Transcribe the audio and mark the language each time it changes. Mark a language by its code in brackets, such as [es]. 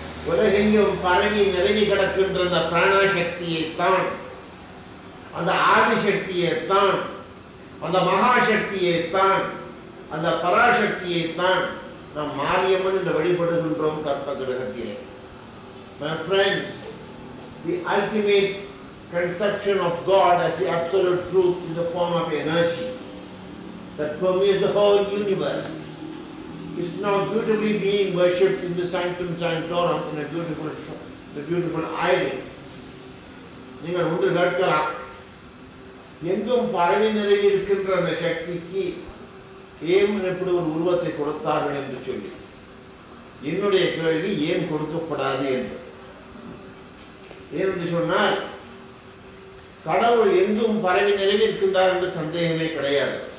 [ta] உலகெங்கும் பரவி நிலவி கிடக்கின்ற அந்த பிராணசக்தியைத்தான் அந்த ஆதிசக்தியைத்தான் அந்த மகாசக்தியைத்தான் அந்த பராசக்தியைத்தான் நாம் மாரியம்மன் என்று வழிபடுகின்றோம் கர்ப்பகிரகத்திலே. [en] My friends, the ultimate conception of God as the absolute truth in the form of energy that permeates the whole universe is now beautifully being worshipped in the sanctum sanctorum in a beautiful island. [ta] நீங்கள் ஒன்று கேட்கலாம், எங்கும் பரவி நிறைவி இருக்கின்ற அந்த சக்திக்கு ஏன் எப்படி ஒரு உருவத்தை கொடுத்தார்கள் என்று சொல்லி என்னுடைய கேள்வி ஏன் கொடுக்கப்படாது என்று. ஏனென்று சொன்னால் கடவுள் எங்கும் பரவி நிறைவி இருக்கின்றார் என்று சந்தேகமே கிடையாது.